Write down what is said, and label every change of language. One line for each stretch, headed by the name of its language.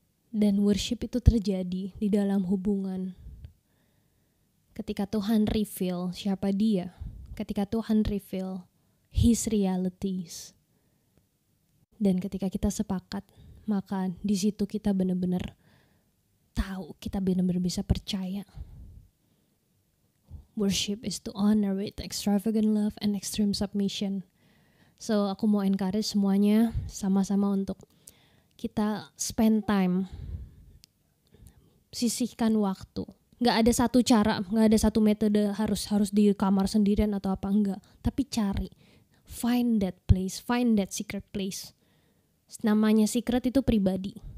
Indonesian: Dan worship itu terjadi di dalam hubungan. Ketika Tuhan reveal siapa Dia, ketika Tuhan
English: reveal His realities.
Indonesian: Dan ketika kita sepakat, maka di situ kita benar-benar tahu, kita benar-benar bisa percaya.
English: Worship is to honor with extravagant love and extreme submission.
Indonesian: So, aku mau encourage semuanya sama-sama untuk kita
English: spend time.
Indonesian: Sisihkan waktu. Gak ada satu cara, gak ada satu metode harus di kamar sendirian atau apa, enggak. Tapi cari.
English: Find that place, find that secret place.
Indonesian: Namanya secret itu pribadi.